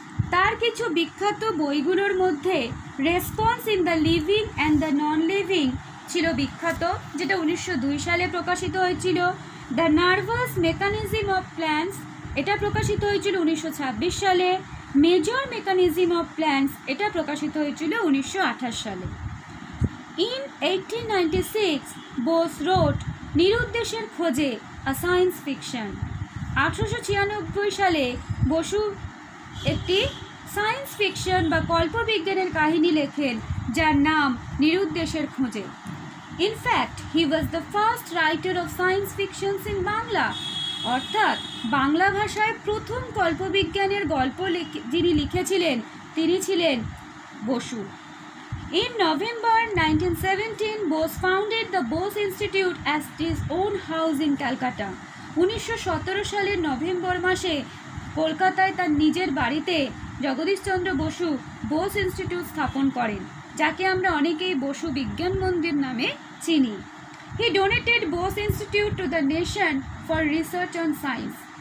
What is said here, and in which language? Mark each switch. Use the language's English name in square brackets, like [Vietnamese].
[Bangla] তার কিছু বিখ্যাত বইগুলোর মধ্যে response in the living and the non living ছিল বিখ্যাত, যেটা 1902 সালে প্রকাশিত হয়েছিল। The nervous mechanism of plants, এটা প্রকাশিত হয়েছিল 1926 সালে। মেজর মেকানিজম অফ প্ল্যান্টস, এটা প্রকাশিত হয়েছিল 1928 সালে। [English] In 1896, Bose wrote Nirudesher Khoje, a science fiction. [Bangla] 1896 সালে বসু একটি সায়েন্স ফিকশন বা কল্পবিজ্ঞানের কাহিনী লেখেন যার নাম নিরুদ্দেশের খোঁজে। [English] In fact, he was the first writer of science fiction in Bangla. [Bangla] অর্থাৎ বাংলা ভাষায় প্রথম কল্পবিজ্ঞানের গল্প যিনি লিখেছিলেন তিনি ছিলেন Basu. [English] In November 1917, Bose founded the Bose Institute as his own house in Calcutta. [Bangla] 1917 সালের নভেম্বর মাসে কলকাতায় তার নিজের বাড়িতে জগদীশচন্দ্র বসু বোস ইনস্টিটিউট স্থাপন করেন, যাকে আমরা অনেকেই বসু বিজ্ঞান মন্দির নামে চিনি। [English] He donated Bose institute to the nation for research on science.